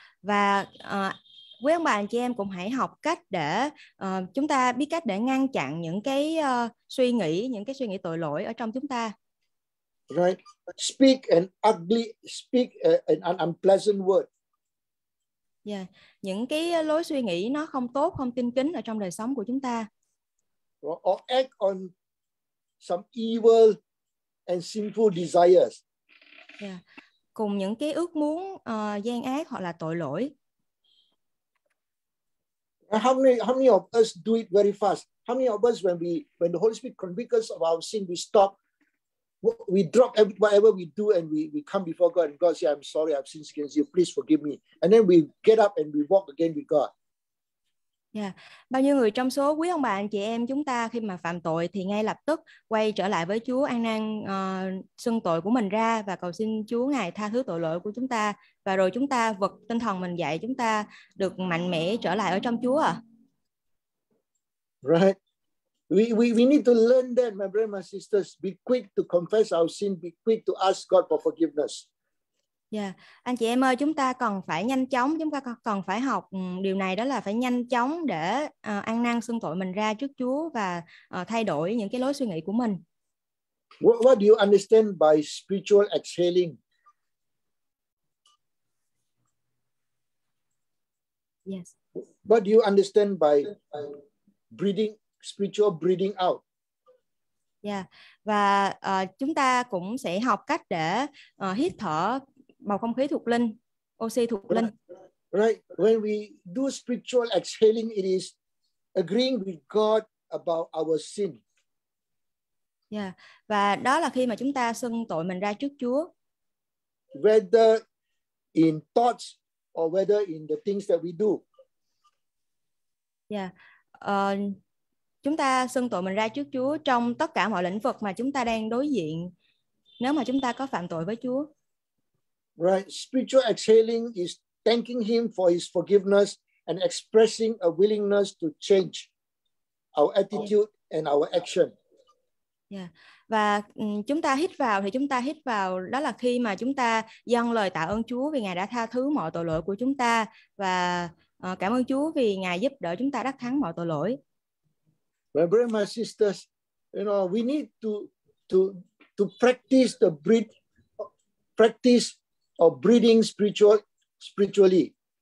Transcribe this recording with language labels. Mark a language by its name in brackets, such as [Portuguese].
[Vietnamese] Và quý ông bà anh chị em cũng hãy học cách để chúng ta biết cách để ngăn chặn những cái suy nghĩ tội lỗi ở trong chúng ta. [English] Right. Speak an unpleasant word. Yeah. [Vietnamese] Những cái lối suy nghĩ nó không tốt, không tin kính ở trong đời sống của chúng ta. [English] Or act on some evil and sinful desires. Yeah. [Vietnamese] Cùng những cái ước muốn gian ác hoặc là tội lỗi. [English] How many of us do it very fast? How many of us when the Holy Spirit convicts us of our sin, we stop, we drop whatever we do and we come before God and God say, I'm sorry, I've sinned against you, please forgive me. And then we get up and we walk again with God. Yeah. [Vietnamese] Bao nhiêu người trong số quý ông bà anh chị em chúng ta khi mà phạm tội thì ngay lập tức quay trở lại với Chúa, ăn năn xưng tội của mình ra và cầu xin Chúa Ngài tha thứ tội lỗi của chúng ta, và rồi chúng ta vực tinh thần mình dậy, chúng ta được mạnh mẽ trở lại ở trong Chúa [English] à? Right. We need to learn that, my brothers and sisters. Be quick to confess our sin, be quick to ask God for forgiveness. Yeah. [Vietnamese] Anh chị em ơi, chúng ta cần phải nhanh chóng, chúng ta cần phải học điều này, đó là phải nhanh chóng để ăn năn xưng tội mình ra trước Chúa và thay đổi những cái lối suy nghĩ của mình. [English] What do you understand by spiritual exhaling? Yes. What do you understand by breathing, spiritual breathing out? Yeah. [Vietnamese] Và chúng ta cũng sẽ học cách để hít thở bầu không khí thuộc linh, oxy thuộc linh. [English] Right. When we do spiritual exhaling, it is agreeing with God about our sin. Yeah. [Vietnamese] Và đó là khi mà chúng ta xưng tội mình ra trước Chúa. [English] Whether in thoughts or whether in the things that we do. Yeah. [Vietnamese] Chúng ta xưng tội mình ra trước Chúa trong tất cả mọi lĩnh vực mà chúng ta đang đối diện nếu mà chúng ta có phạm tội với Chúa. [English] Right, spiritual exhaling is thanking him for his forgiveness and expressing a willingness to change our attitude and our action. Yeah. [Vietnamese] Và chúng ta hít vào thì chúng ta hít vào đó là khi mà chúng ta dâng lời tạ ơn Chúa vì Ngài đã tha thứ mọi tội lỗi của chúng ta và cảm ơn Chúa vì Ngài giúp đỡ chúng ta đắc thắng mọi tội lỗi. [English] My brothers and sisters, you know, we need to practice the breath, practice of breathing spiritually.